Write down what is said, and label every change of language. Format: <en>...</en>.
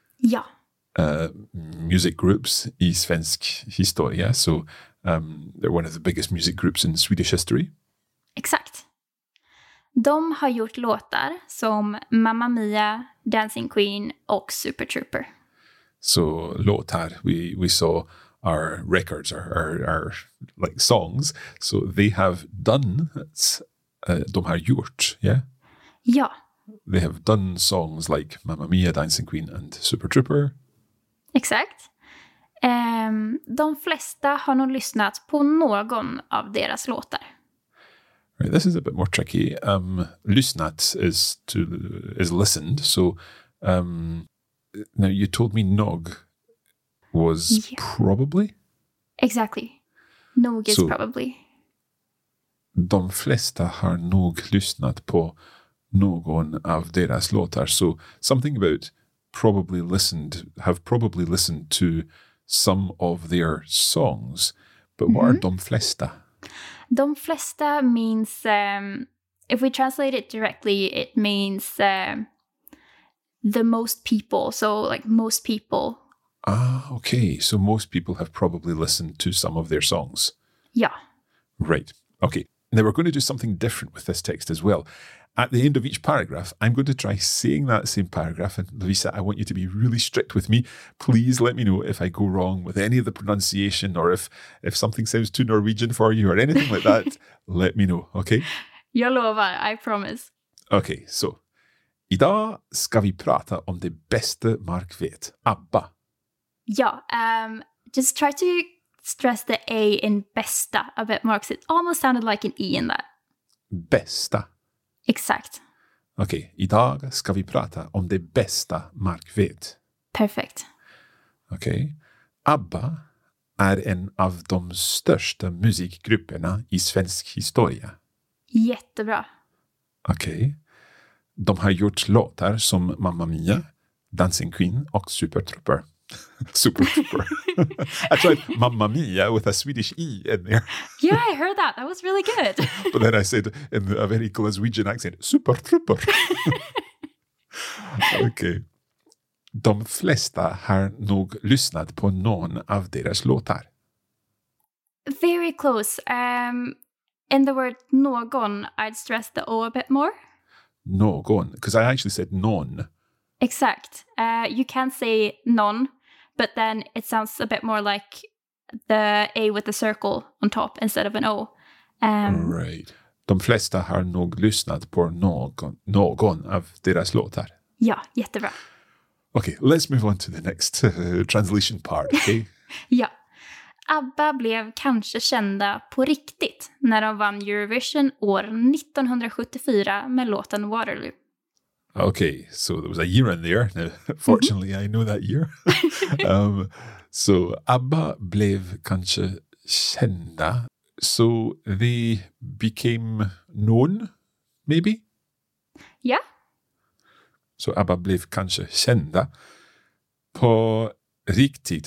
<sv>Ja.</sv> <en>Music groups i svensk historia. So they're one of the biggest music groups in Swedish history.</en> <sv>Exakt. De har gjort låtar som Mamma Mia, Dancing Queen och Super Trooper.</sv> <en>So låtar, we saw our records, our like songs. So they have done, de har gjort, yeah?</en> <sv>Ja.</sv> <en>They have done songs like Mamma Mia, Dancing Queen and Super Trooper.</en> <sv>Exakt. De flesta har nog lyssnat på någon av deras låtar.</sv> <en>Right, this is a bit more tricky. Lyssnat is listened. So now you told me nog was probably. Exactly. Nog is so probably.</en> <sv>De flesta har nog lyssnat på någon av deras låtar.</sv> <en>So something about probably listened, have probably listened to some of their songs. But what are de flesta? De flesta means, if we translate it directly, it means the most people. So like most people. Ah, okay. So most people have probably listened to some of their songs. Yeah. Right. Okay. Now we're going to do something different with this text as well. At the end of each paragraph, I'm going to try saying that same paragraph. And Lovisa, I want you to be really strict with me. Please let me know if I go wrong with any of the pronunciation or if something sounds too Norwegian for you or anything like that. Let me know, okay?</en> <sv>Jag lovar, I promise.</sv> <en>Okay, so.</en> <sv>Idag ska vi prata om det bästa Mark vet, ABBA.</sv> <en>Ja, just try to stress the A in bästa a bit more because it almost sounded like an E in that.</en> <sv>Bästa. Exakt. Okej, idag ska vi prata om det bästa Mark vet. Perfekt. Okej. ABBA är en av de största musikgrupperna i svensk historia. Jättebra. Okej. De har gjort låtar som Mamma Mia, Dancing Queen och Super Trooper. Super Trooper.</sv> <en>I tried Mamma Mia with a Swedish E in there. Yeah, I heard that. That was really good. But then I said in a very Glaswegian accent, Super Trooper. Okay.</en> <sv>De flesta har nog lyssnat på någon av deras låtar.</sv> <en>Very close. In the word någon, I'd stress the O a bit more. Någon, because I actually said non. Exact. You can say non. But then it sounds a bit more like the A with the circle on top instead of an O. Right.</en> <sv>De flesta har nog lyssnat på någon av deras låtar. Ja, jättebra.</sv> <en>Okay, let's move on to the next translation part, okay?</en> <sv>Ja. ABBA blev kanske kända på riktigt när de vann Eurovision år 1974 med låten Waterloo.</sv> <en>Okay, so there was a year in there. Now, fortunately, I know that year.</en> <sv>So ABBA blev kanske kända.</sv> <en>So they became known, maybe? Yeah.</en> <sv>So ABBA blev kanske kända på riktigt.</sv>